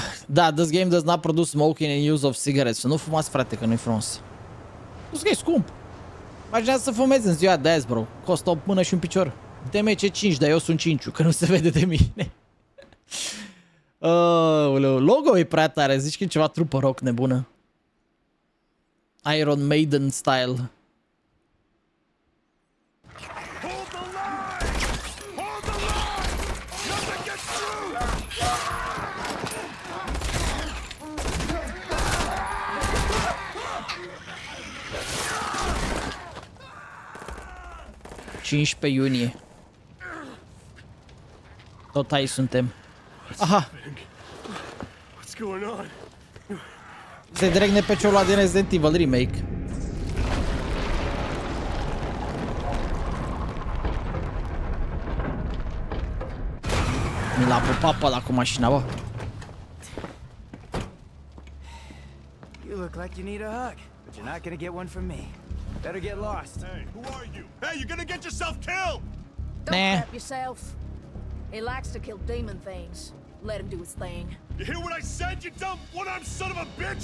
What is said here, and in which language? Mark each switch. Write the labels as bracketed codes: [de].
[en] Da, this game does not produce smoking and use of cigarettes. [ro] Nu fumați, frate, că nu-i frumos. Plus că e scump. Imaginați să fumezi în ziua de azi, bro. Costă o mână și un picior. DMC 5, dar eu sunt 5-ul, că nu se vede de mine. Oh, logo-ul e prea tare. Zici că e ceva trupă rock nebună. [en] Iron Maiden style. June 15. [ro] Tot aici suntem. Aha. [en] What's going on? [ro] Se dregne pe celula din Resident Evil Remake. Mi l-a pupat pe ăla cu mașina, bă. [en] You look like you need a hug, but you're not gonna get one from me. Better get lost. Hey, who are you? Hey, you're gonna get yourself killed! Don't trap yourself. He likes to kill demon things. Let him do his thing. You hear what I said, you dumb one-armed son of a bitch?